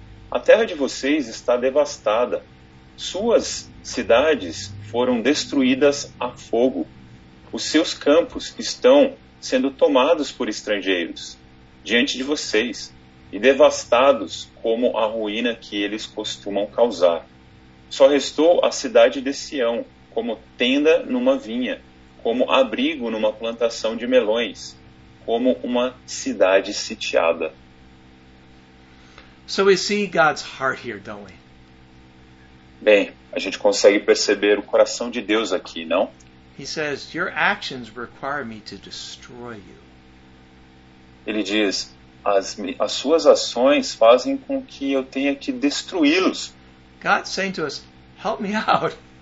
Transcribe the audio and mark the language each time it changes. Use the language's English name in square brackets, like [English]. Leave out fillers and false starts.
[Portuguese] A terra de vocês está devastada, suas cidades foram destruídas a fogo, os seus campos estão sendo tomados por estrangeiros, diante de vocês, e devastados como a ruína que eles costumam causar. Só restou a cidade de Sião, como tenda numa vinha, como abrigo numa plantação de melões, como uma cidade sitiada. [English] So we see God's heart here, don't we? [Portuguese] Bem, a gente consegue perceber o coração de Deus aqui, não? [English] He says, "Your actions require me to destroy you." [Portuguese] Ele diz, as suas ações fazem com que eu tenha que destruí-los. [English] God saying to us, "Help me out."